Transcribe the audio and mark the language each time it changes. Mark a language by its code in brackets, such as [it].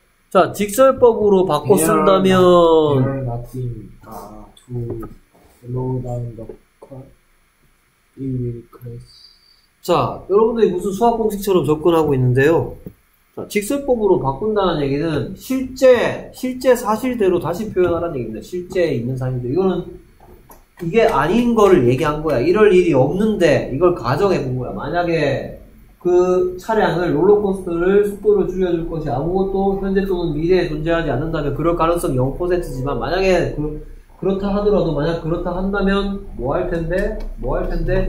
[ko] 자, 직설법으로 바꿔 쓴다면 [en] there are nothing to slow down the car, it will crash. [ko] 자, 여러분들이 무슨 수학 공식처럼 접근하고 있는데요. 자, 직설법으로 바꾼다는 얘기는 실제 사실대로 다시 표현하라는 얘기입니다. 실제 있는 사실대로. 이거는 이게 아닌 거를 얘기한 거야. 이럴 일이 없는데 이걸 가정해 본 거야. 만약에 그 차량을 롤러코스터를 속도를 줄여줄 것이 아무것도 현재 또는 미래에 존재하지 않는다면 그럴 가능성이 0%지만 만약에 그렇다 하더라도 만약 그렇다 한다면 뭐 할 텐데? 뭐 할 텐데?